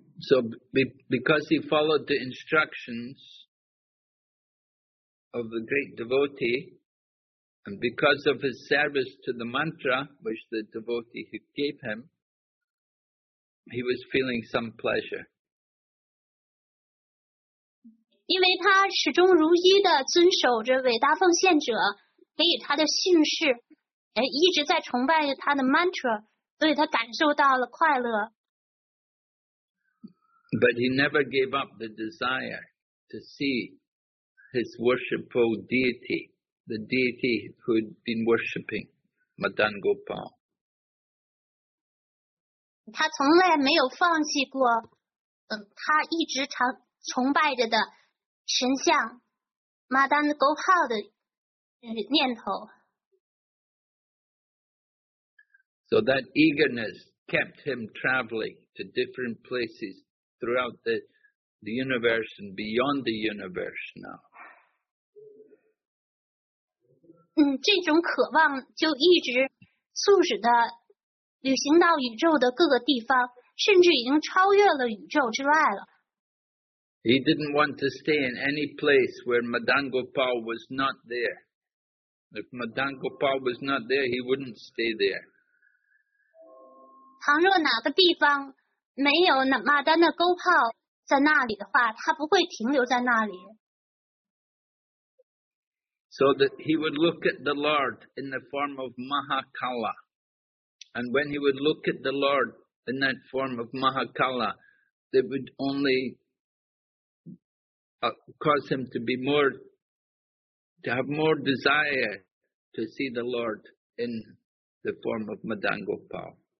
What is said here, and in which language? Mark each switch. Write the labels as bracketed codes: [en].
[en] So because he followed the instructions of the great devotee, and because of his service to the mantra, which the devotee gave him, he was feeling some pleasure. [zh] 因为他始终如一地遵守着伟大奉献者给予他的训示, 一直在崇拜他的 mantra， 所以他感受到了快乐。 [en] But he never gave up the desire to see his worshipful deity, the deity who'd been worshipping, Madan Gopal. [zh] 他从来没有放弃过，他一直崇拜着的神像 Madan Gopal 的念头。 [en] So that eagerness kept him traveling to different places throughout the universe and beyond the universe now. [zh] 这种渴望就一直促使他旅行到宇宙的各个地方，甚至已经超越了宇宙之外了。 [en] He didn't want to stay in any place where Madan Gopal was not there. If Madan Gopal was not there, he wouldn't stay there. [zh] 倘若哪个地方没有那马丹的勾炮在那里的话，他不会停留在那里。 [en] So that he would look at the Lord in the form of Mahakala. And when he would look at the Lord in that form of Mahakala, it would only cause him to be more, to have more desire to see the Lord in the form of Madan Gopal.